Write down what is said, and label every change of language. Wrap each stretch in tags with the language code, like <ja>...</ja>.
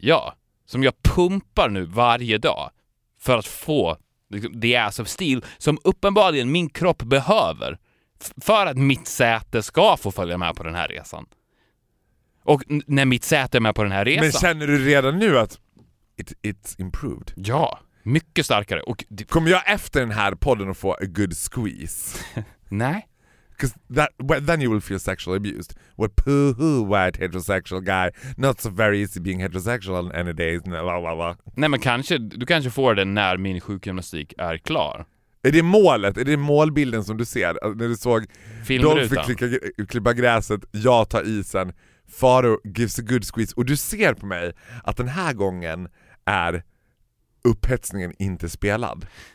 <sv>Ja, som jag pumpar nu varje dag för att få liksom,</sv> <en>the ass of steel</en> <sv>som uppenbarligen min kropp behöver för att mitt säte ska få följa med på den här resan. Och när mitt säte är med på den här resan. Men känner du redan nu att</sv> <en>it's improved?</en> <sv>Ja, mycket starkare. Och kommer jag efter den här podden att få</sv> <en>a good squeeze?</en> <sv>Nej.</sv> <en>Because that then you will feel sexually abused. What poo-hoo, white heterosexual guy. Not so very easy being heterosexual on any days.</en> <sv>Nej, men kanske, du kanske får den när min sjukgymnastik är klar. Är det målet? Är det målbilden som du ser? När du såg Dolph klippa gräset, jag tar isen,</sv> <en>Faro gives a good squeeze.</en> <sv>Och du ser på mig att den här gången är upphetsningen inte spelad.</sv>